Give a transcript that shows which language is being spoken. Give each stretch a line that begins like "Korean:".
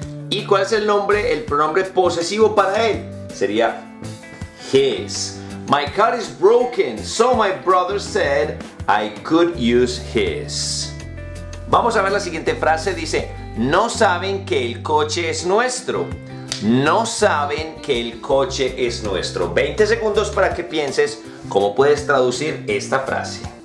Spanish: ¿Y cuál es el nombre, el pronombre posesivo para él? Sería his.
English: My car is broken, so my brother said I could use his.
Spanish: Vamos a ver la siguiente frase, dice, no saben que el coche es nuestro. No saben que el coche es nuestro. 20 segundos para que pienses cómo puedes traducir esta frase.